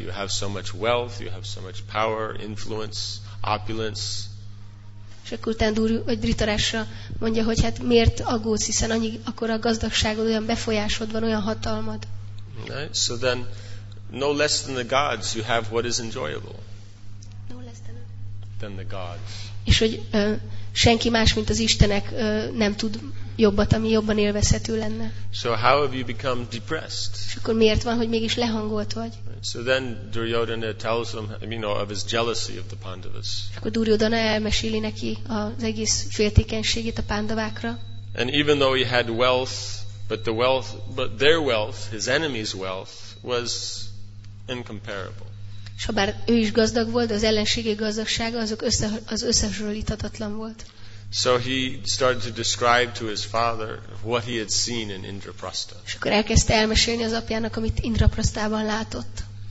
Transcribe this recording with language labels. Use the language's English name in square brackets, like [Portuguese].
[English] You have so much wealth, you have so much power, influence, opulence. [Hungarian] És akkor utána Dhritarashtra mondja, hogy hát miért aggódsz, hiszen annyi, akkor a gazdagságod, olyan befolyásod van, olyan hatalmad. [English] Right? So then, no less than the gods, you have what is enjoyable. No less than the gods. [Hungarian] És hogy senki más, mint az Istenek nem tud jobbat, ami jobban élvezhető lenne. [English] So how have you become depressed? [Hungarian] És akkor miért van, hogy mégis lehangolt vagy? [English] So then Duryodhana tells him, you know, of his jealousy of the Pandavas. [Hungarian] És akkor Duryodhana elmeséli neki az egész féltékenységét a Pandavákra. [English] And even though he had wealth, but their wealth, his enemy's wealth, was incomparable. [Hungarian] És ha bár ő is gazdag volt, az ellenségi gazdagsága az összehasonlíthatatlan volt. [English] So he started to describe to his father what he had seen in Indraprastha. [Hungarian] És akkor elkezdte elmesélni az apjának, amit Indraprasthában látott.